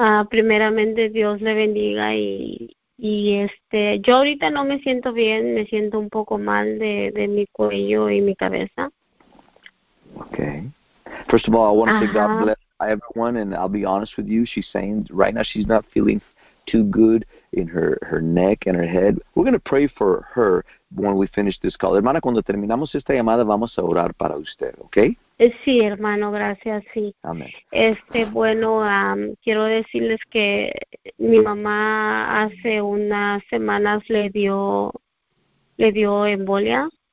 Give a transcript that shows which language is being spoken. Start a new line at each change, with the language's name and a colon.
Spanish: Primeramente, Dios le bendiga y yo ahorita no me siento bien, me siento un poco mal de mi cuello y mi cabeza.
English: First of all, I want to say God bless everyone, and I'll be honest with you. She's saying right now she's not feeling too good in her neck and her head. We're going to pray for her when we finish this call.
Spanish: Hermana, cuando terminamos esta llamada, vamos a orar para usted, ¿ok? Sí, hermano, gracias, sí. Amén. Quiero decirles que mi mamá hace unas semanas le dio embolia.